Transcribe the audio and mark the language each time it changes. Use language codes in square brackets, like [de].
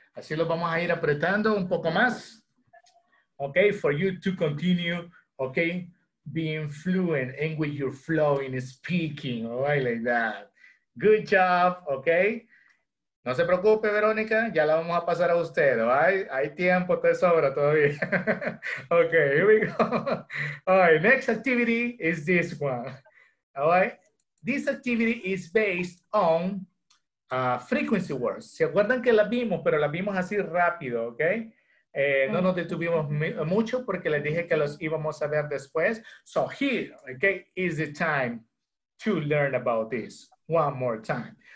[es] Así lo vamos a ir apretando un poco más. [en] Okay, for you to continue, okay, being fluent and with your flow in speaking, all right, like that. Good job, okay? [es] No se preocupe, Verónica, ya la vamos a pasar a usted, [en] all right? [es] Hay tiempo, te sobra todavía. [en] Okay, here we go. All right, next activity is this one, all right? This activity is based on frequency words. [es] ¿Se acuerdan que la vimos? Pero la vimos así rápido, ¿ok? No nos detuvimos mucho porque les dije que los íbamos a ver después. [en] So here, [es] ¿ok? [en] Is the time to learn about this one more time.